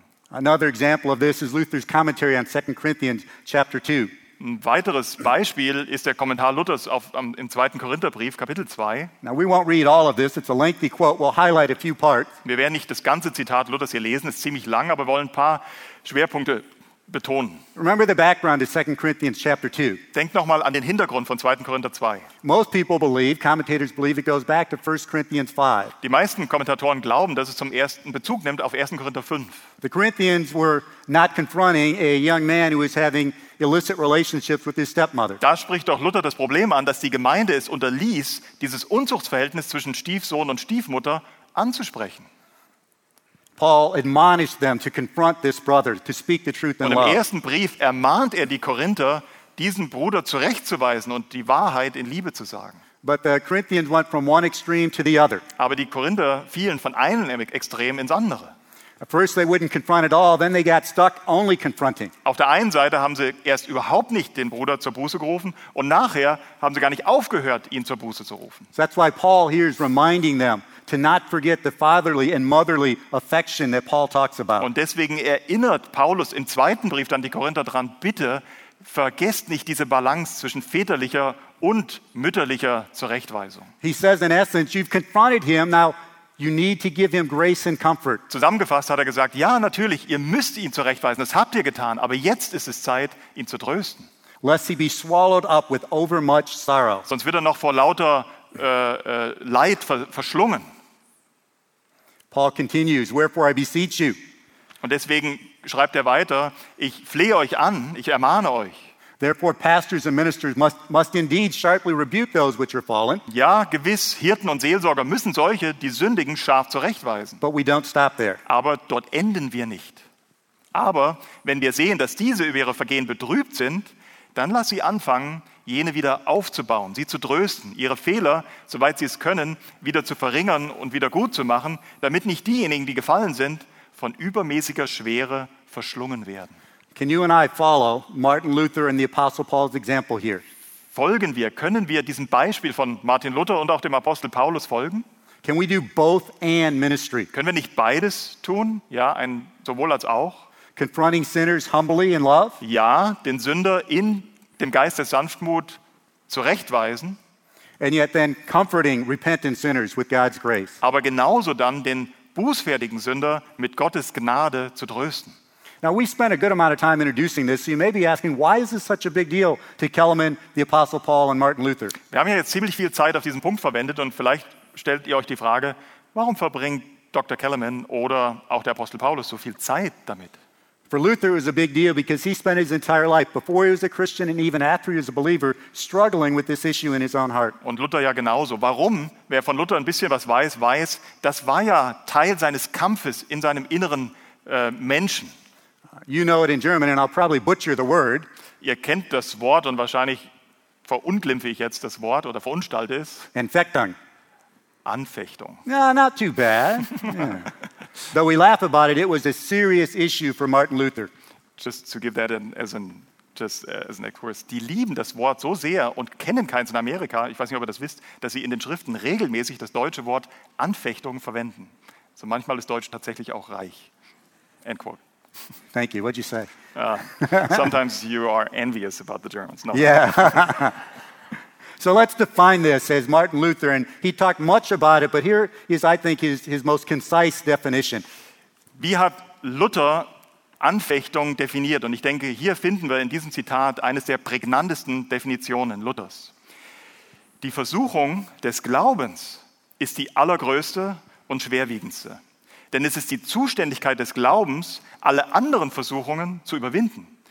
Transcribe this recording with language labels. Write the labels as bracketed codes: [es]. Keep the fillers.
[en] Another example of this is Luther's commentary on 2 Corinthians chapter 2. [de] ein weiteres Beispiel ist der Kommentar Luthers auf, am, im 2. Korintherbrief, Kapitel 2. [en] We we'll [de] wir werden nicht das ganze Zitat Luthers hier lesen, es ist ziemlich lang, aber wir wollen ein paar Schwerpunkte betonen. [en] Remember the background of Corinthians chapter [de] Denk noch an den Hintergrund von 2. Korinther 2. [en] Most people believe, commentators believe it goes back to 1 Corinthians 5. [de] Die meisten Kommentatoren glauben, dass es zum ersten Bezug nimmt auf 1. Korinther 5. [en] The Corinthians were not confronting a young man who was having illicit relationships with his stepmother. [de] Da spricht auch Luther das Problem an, dass die Gemeinde es unterließ, dieses Unzuchtsverhältnis zwischen Stiefsohn und Stiefmutter anzusprechen. [en] Paul in love. The [de] ersten Brief ermahnt er die Korinther, diesen Bruder zurechtzuweisen und die Wahrheit in Liebe zu sagen. [en] But the Corinthians went from one extreme to the other. [de] Aber die Korinther fielen von einem Extrem ins andere. [en] At first they wouldn't confront at all, then they got stuck only confronting. [de] Auf der einen Seite haben sie erst überhaupt nicht den Bruder zur Buße gerufen und nachher haben sie gar nicht aufgehört, ihn zur Buße zu rufen. [en] So that's why Paul here is reminding them [de] und deswegen erinnert Paulus im zweiten Brief an die Korinther dran, bitte vergesst nicht diese Balance zwischen väterlicher und mütterlicher Zurechtweisung. [en] He says in essence you've confronted him now You need to give him grace and comfort. [de] Zusammengefasst hat er gesagt: Ja, natürlich, ihr müsst ihn zurechtweisen. Das habt ihr getan, aber jetzt ist es Zeit, ihn zu trösten. [en] Lest he be swallowed up with overmuch sorrow. [de] Sonst wird er noch vor lauter äh, äh, Leid ver verschlungen. [en] Paul continues, wherefore I beseech you. [de] Und deswegen schreibt er weiter, ich flehe euch an, ich ermahne euch. [en] Therefore pastors and ministers must, must indeed sharply rebuke those which are fallen. [de] Ja, gewiss Hirten und Seelsorger müssen solche, die sündigen, scharf zurechtweisen. [en] But we don't stop there. [de] Aber dort enden wir nicht. Aber wenn wir sehen, dass diese über ihre Vergehen betrübt sind, dann lass sie anfangen, jene wieder aufzubauen, sie zu trösten, ihre Fehler, soweit sie es können, wieder zu verringern und wieder gut zu machen, damit nicht diejenigen, die gefallen sind, von übermäßiger Schwere verschlungen werden. Folgen wir, können wir diesem Beispiel von Martin Luther und auch dem Apostel Paulus folgen? Können wir nicht beides tun? Ja, sowohl als auch. [en] Confronting sinners humbly in love. [de] Ja, den Sünder in dem Geist der Sanftmut zurechtweisen. [en] And yet then comforting repentant sinners with God's grace. [de] Aber genauso dann den bußfertigen Sünder mit Gottes Gnade zu trösten. [en] Now we spent a good amount of time introducing this. So you may be asking, why is this such a big deal to Kelman, the Apostle Paul, and Martin Luther? [de] Wir haben ja jetzt ziemlich viel Zeit auf diesen Punkt verwendet, und vielleicht stellt ihr euch die Frage, warum verbringt Dr. Kelman oder auch der Apostel Paulus so viel Zeit damit? [en] For Luther, it was a big deal because he spent his entire life before he was a Christian and even after he was a believer struggling with this issue in his own heart. [de] Und Luther ja genauso. Warum? Wer von Luther ein bisschen was weiß, weiß, das war ja Teil seines Kampfes in seinem inneren äh, Menschen. [en] You know it in German, and I'll probably butcher the word. [de] Ihr kennt das Wort und wahrscheinlich verunglimpfe ich jetzt das Wort oder verunstalte es. Infektung. Anfechtung. [en] No, not too bad. Yeah. Though we laugh about it, it was a serious issue for Martin Luther. Just to give that in, as an just uh, as an [de] die lieben das Wort so sehr und kennen keins in Amerika. Ich weiß nicht, ob ihr das wisst, dass sie in den Schriften regelmäßig das deutsche Wort Anfechtung verwenden. So manchmal ist Deutsch tatsächlich auch reich. [en] End quote. Thank you. What did you say? Uh, sometimes you are envious about the Germans. No. Yeah. So let's define this as Martin Luther, and he talked much about it, but here is, I think, his, his, most concise definition. [de] Wie hat Luther Anfechtung definiert? Und ich denke, hier finden wir in diesem Zitat eines der prägnantesten Definitionen Luthers. Die Versuchung des Glaubens ist die allergrößte und schwerwiegendste. Denn es ist die Zuständigkeit des Glaubens, alle anderen Versuchungen zu überwinden.